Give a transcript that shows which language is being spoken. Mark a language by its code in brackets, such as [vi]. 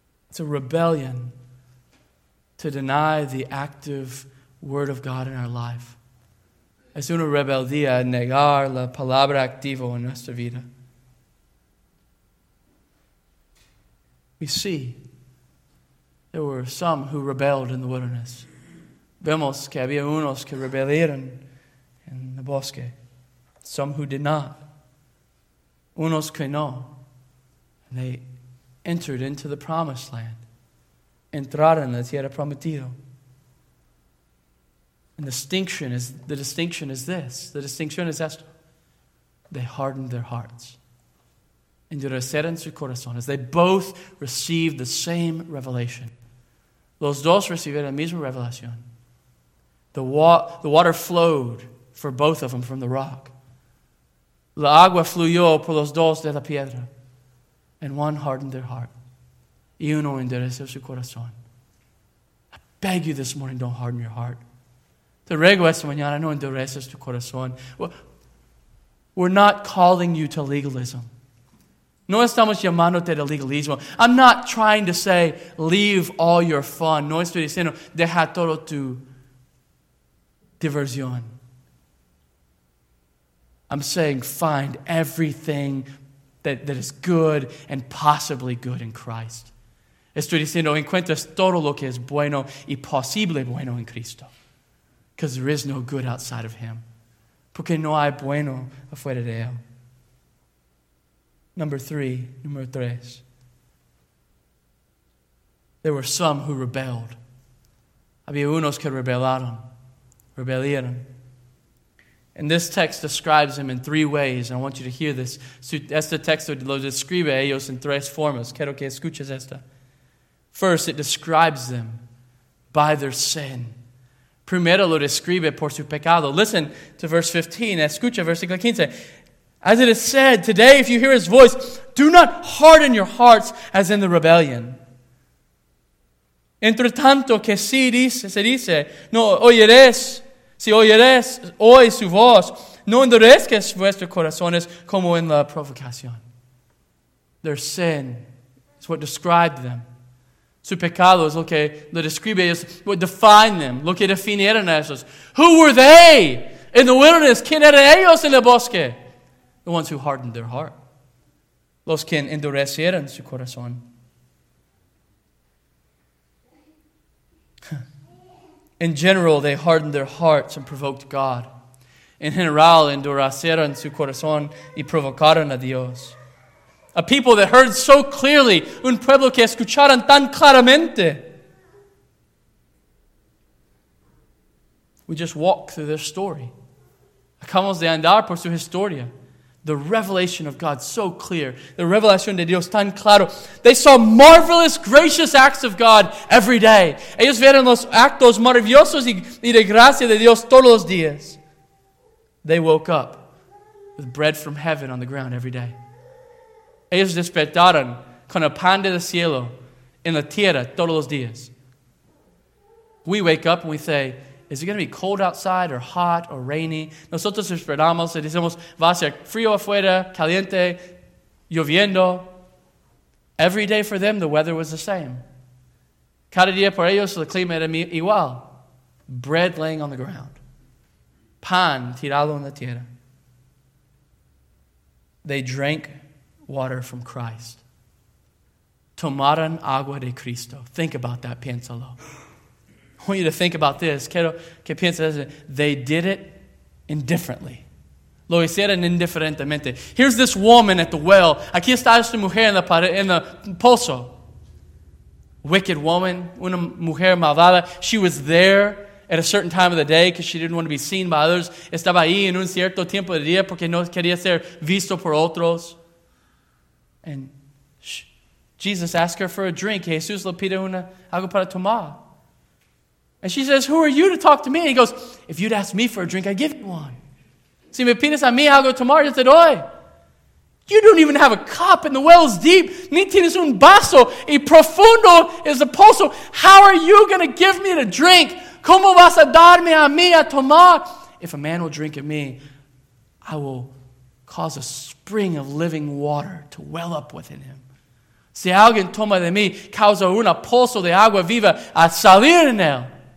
[en] It's a rebellion to deny the active Word of God in our life. [es] Es una rebeldía negar la palabra activa en nuestra vida. [en] We see. There were some who rebelled in the wilderness. [es] Vemos que había unos que rebelieron en el bosque. [en] Some who did not. [es] Unos que no. [en] And they entered into the promised land. [es] Entraron en la tierra prometida. [en] And the distinction is [es] esto. [en] They hardened their hearts. [es] Endurecieron sus corazones. [en] They both received the same revelation. [es] Los dos recibieron la misma revelación. [en] The water flowed for both of them from the rock. [es] La agua fluyó por los dos de la piedra. [en] And one hardened their heart. [es] Y uno enderezó su corazón. [en] I beg you this morning, don't harden your heart. [es] Te ruego esta mañana, no endureces tu corazón. [en] We're not calling you to legalism. [es] No estamos llamándote al legalismo. [en] I'm not trying to say, leave all your fun. [es] No estoy diciendo, deja todo tu diversión. [en] I'm saying, find everything that is good and possibly good in Christ. [es] Estoy diciendo, encuentras todo lo que es bueno y posible bueno en Cristo. [en] Because there is no good outside of Him. [es] Porque no hay bueno afuera de Él. [en] Number three. There were some who rebelled. [es] Había unos que rebelieron. [en] And this text describes them in three ways. And I want you to hear this. [es] Este texto lo describe a ellos en tres formas. Quiero que escuches esta. [en] First, it describes them by their sin. [es] Primero lo describe por su pecado. [en] Listen to verse 15. [es] Escucha versículo 15. [en] As it is said, today if you hear His voice, do not harden your hearts as in the rebellion. [es] Entre tanto que si dice, se dice, no oyeres, si oyeres hoy su voz, no endurezcas vuestros corazones como en la provocación. [en] Their sin is what described them. [es] Su pecado es lo que lo describe ellos, [en] what defined them, [es] lo que definieron a ellos. [en] Who were they in the wilderness? [es] ¿Quién eran ellos en el bosque? [en] The ones who hardened their heart. [es] Los que endurecieron su corazón. [en] In general, they hardened their hearts and provoked God. [es] En general, endurecieron su corazón y provocaron a Dios. [en] A people that heard so clearly, [es] un pueblo que escucharon tan claramente. [en] We just walk through their story. [es] Acabamos de andar por su historia. [en] The revelation of God so clear. [es] The revelación de Dios tan claro. [en] They saw marvelous, gracious acts of God every day. [es] Ellos vieron los actos maravillosos y de gracia de Dios todos los días. [en] They woke up with bread from heaven on the ground every day. [es] Ellos despertaron con el pan del cielo en la tierra todos los días. [en] We wake up and we say, is it going to be cold outside or hot or rainy? [es] Nosotros esperamos y decimos, va a ser frío afuera, caliente, lloviendo. [en] Every day for them, the weather was the same. [es] Cada día por ellos, el clima era igual. [en] Bread laying on the ground. [es] Pan tirado en la tierra. [en] They drank water from Christ. [es] Tomaron agua de Cristo. [en] Think about that, [es] piénsalo. [en] I want you to think about this. [es] Quiero que pienses, [en] they did it indifferently. [es] Lo hicieron indiferentemente. [en] Here's this woman at the well. [es] Aquí está esta mujer en la pozo. [en] Wicked woman, [es] una mujer malvada. [en] She was there at a certain time of the day because she didn't want to be seen by others. [es] Estaba ahí en un cierto tiempo de día porque no quería ser visto por otros. [en] And Jesus asked her for a drink. [es] Jesús le pide algo para tomar. [en] And she says, who are you to talk to me? And he goes, if you'd ask me for a drink, I'd give you one. [es] Si me pides a mí algo tomar, yo te doy. [en] You don't even have a cup and the well is deep. [es] Ni tienes un vaso y profundo es el pozo. [en] How are you going to give me a drink? [es] ¿Cómo vas a darme a mí a tomar? [en] If a man will drink of me, I will cause a spring of living water to well up within him. [es] Si alguien toma de mí, causa un pozo de agua viva a salir en él.